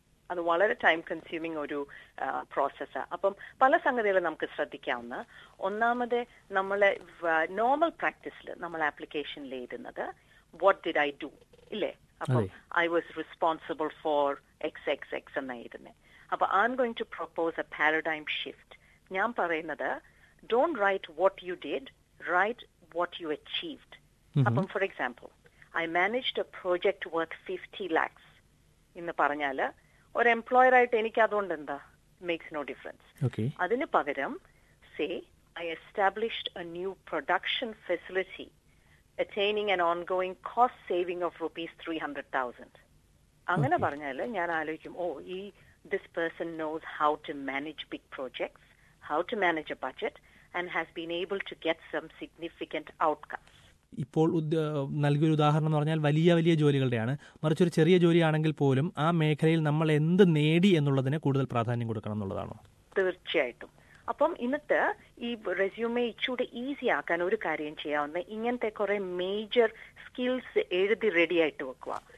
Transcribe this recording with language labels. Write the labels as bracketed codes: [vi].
[ml] അത് വളരെ time consuming ഒരു പ്രോസസ്സാണ്. അപ്പം പല സംഗതികളും നമുക്ക് ശ്രദ്ധിക്കാവുന്ന, ഒന്നാമത് നമ്മളെ നോർമൽ പ്രാക്ടീസിൽ നമ്മൾ ആപ്ലിക്കേഷനിൽ എഴുതുന്നത് [en] what did I do [ml] ഇല്ലേ, അപ്പൊ [en] I was responsible for XXX [ml] എന്ന എഴുതുന്നത്. അപ്പൊ [en] I am going to propose a paradigm shift. [ml] ഞാൻ പറയുന്നത് [en] Don't write what you did, write what you achieved. Appam, for example, I managed a project worth 50 lakhs. [ml] Innu paranjala, or employer aayittu enikku adond enda? [en] Makes no difference. Okay. [ml] Adinu pagaram, [en] say, I established a new production facility attaining an ongoing cost saving of rupees 300,000. [ml] Angana paranjala, njan aalochikkum, [en] oh, this person knows how to manage big projects, how to manage a budget, and has been able to get some significant outcomes. [ml] ഇപ്പോൾ നൽകിയ ഒരു ഉദാഹരണം എന്ന് പറഞ്ഞാൽ വലിയ വലിയ ജോലികളുടെയാണ്, മറിച്ച് ഒരു ചെറിയ ജോലിയാണെങ്കിൽ പോലും ആ മേഖലയിൽ നമ്മൾ എന്ത് നേടി എന്നുള്ളതിന് കൂടുതൽ പ്രാധാന്യം കൊടുക്കണം എന്നുള്ളതാണോ? തീർച്ചയായിട്ടും. അപ്പം ഇന്നത്തെ ഈ റെസ്യൂമേ ഇച്ചൂടെ ഈസി ആക്കാൻ ഒരു കാര്യം ചെയ്യാവുന്ന, ഇങ്ങനത്തെ കുറെ മേജർ സ്കിൽസ് എഴുതി റെഡി ആയിട്ട് വെക്കുക.